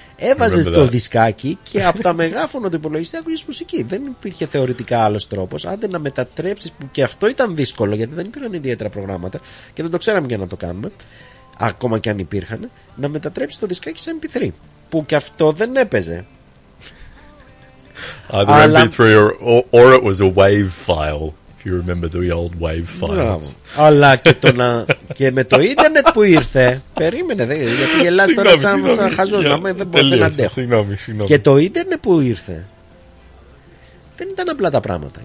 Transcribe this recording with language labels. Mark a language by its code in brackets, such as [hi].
[el] Έβαζες το δισκάκι και από τα μεγάφωνα του υπολογιστή ακούγες μουσική. Δεν υπήρχε θεωρητικά άλλος τρόπος. Άντε να μετατρέψεις, που και αυτό ήταν δύσκολο γιατί δεν υπήρχαν ιδιαίτερα προγράμματα και δεν το ξέραμε για να το κάνουμε. Ακόμα και αν υπήρχαν, να μετατρέψεις το δισκάκι σε MP3. Που και αυτό δεν έπαιζε. [en] Either αλλά... MP3 or it was a WAV file, if you remember the old WAV files. [el] Μπράβο. Αλλά και, το να... και με το ίντερνετ που ήρθε, περίμενε, δε, γιατί γελάς τώρα σαν χαζός, δεν μπορεί να αντέχω. Συγγνώμη. Και το ίντερνετ που ήρθε, δεν ήταν απλά τα πράγματα.